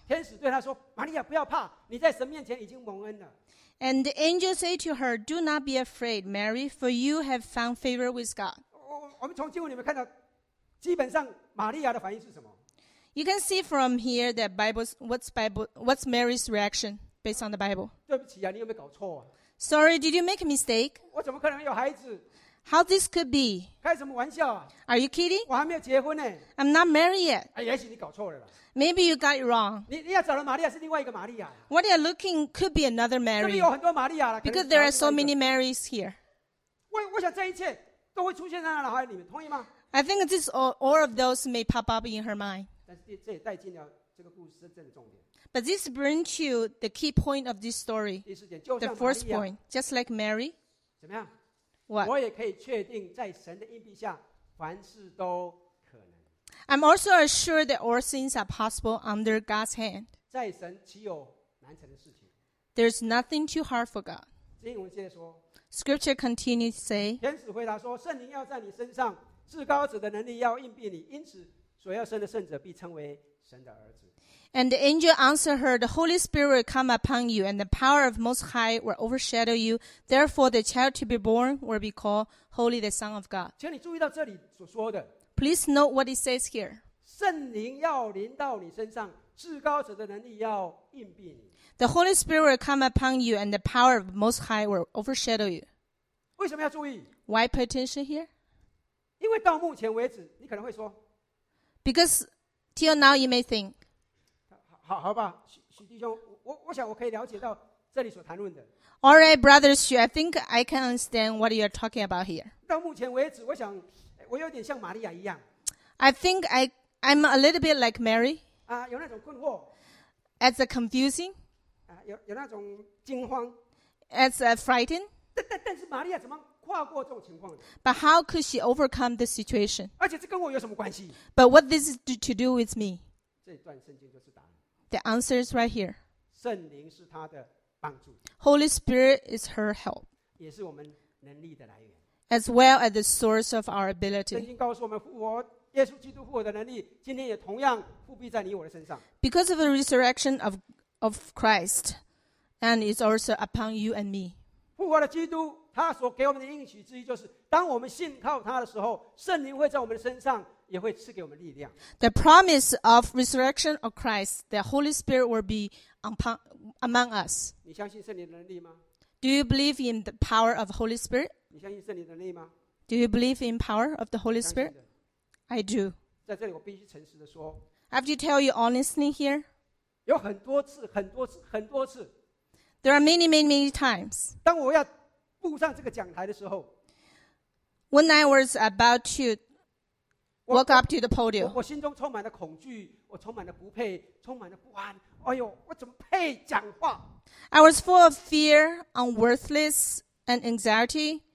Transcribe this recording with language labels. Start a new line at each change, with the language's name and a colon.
English: And the angel said to her, Do not be afraid, Mary, for you have found favor with God.
Chinese: 我们从经文里面看到基本上玛利亚的反应是什么？
English: You can see from here that what's Mary's reaction based on the Bible.
Chinese: 对不起啊，你有没有搞错啊？
English: Sorry, did you make a mistake?
Chinese: 我怎么可能有孩子？
English: How this could be?
Chinese: 开什么玩笑啊？
English: Are you kidding?
Chinese: 我还没有结婚呢。
English: I'm not married yet.
Chinese: 哎，也许你搞错了啦。
English: Maybe you got it wrong.
Chinese: 你要找的玛利亚是另外一个玛利亚。
English: What you're looking could be another Mary.
Chinese: 这里有很多玛利亚了。
English: Because there are so many Marys here.
Chinese: 我想这一切都会出现在她脑海里面，同意吗？
English: I think this all of those may pop up in her mind.
Chinese: 但是这也带进了这个故事真正的重点。
English: But this brings you the key point of this story.
Chinese: 第四点，就像
English: The first point, just like Mary.
Chinese: 怎么样？
English: What?
Chinese: 我也可以确定，在神的荫庇下，凡事都可能。
English: I'm also assured that all things are possible under God's hand.
Chinese: 在神岂有难成的事情？
English: There's nothing too hard for God.
Chinese: 经文接着说。
English: Scripture continues to say.
Chinese: 天使回答说：“圣灵要在你身上。” 至高者的能力要应庇你，因此所要生的圣者必称为神的儿子。
English: And the angel answered her, "The Holy Spirit will come upon you, and the power of Most High will overshadow you. Therefore, the child to be born will be called Holy, the Son of God."
Chinese: 请你注意到这里所说的。
English: Please note what it says here.
Chinese: 圣灵要临到你身上，至高者的能力要应庇你。
English: The Holy Spirit will come upon you, and the power of Most High will overshadow you.
Chinese: 为什么要注意
English: ？Why pay attention here?
Chinese: 因为到目前为止，你可能会说
English: ，Because till now you may think，
Chinese: 好吧，许弟兄，我想我可以了解到这里所谈论的。
English: All right, brother Xu, I think I can understand what you are talking about here.
Chinese: 到目前为止，我想我有点像玛利亚一样。
English: I think I'm a little bit like Mary.
Chinese: 啊，有那种困惑。
English: As a confusing.
Chinese: 啊，有那种惊慌。
English: As a frightened.
Chinese: 但是玛利亚怎么？
English: But how could she overcome the situation?
Chinese: 而且这跟我有什么关系?
English: But what this is to do with me?
Chinese: 这段圣经就是答案。
English: The answer is right here.
Chinese: 圣灵是她的帮助。
English: Holy Spirit is her help.
Chinese: 也是我们能力的来源。
English: As well as the source of our ability.
Chinese: 圣经告诉我们复活耶稣基督复活的能力今天也同样复辟在你我的身上。
English: Because of the resurrection of Christ, and it's also upon you and me.
Chinese: 复活的基督他所给我们的应许之一就是当我们信靠他的时候圣灵会在我们的身上也会赐给我们力量。
English: The promise of resurrection of Christ, the Holy Spirit will be among us.
Chinese: 你相信圣灵的能力吗?
English: Do you believe in the power of the Holy Spirit?
Chinese: 你相信圣灵的能力吗?
English: Do you believe in power of the Holy Spirit? I do.
Chinese: 在这里我必须诚实地说。
English: I have to tell you honestly here.
Chinese: 有很多次很多次很多次。
English: There are many, many, many times.
Chinese: 当我要步上这个讲台的时候
English: ，When I was about to walk up to the podium，
Chinese: 我心中充满了恐惧，我充满了不配，充满了不安。哎呦，我怎么配讲话
English: ？I was full of fear, unworthless, and anxiety.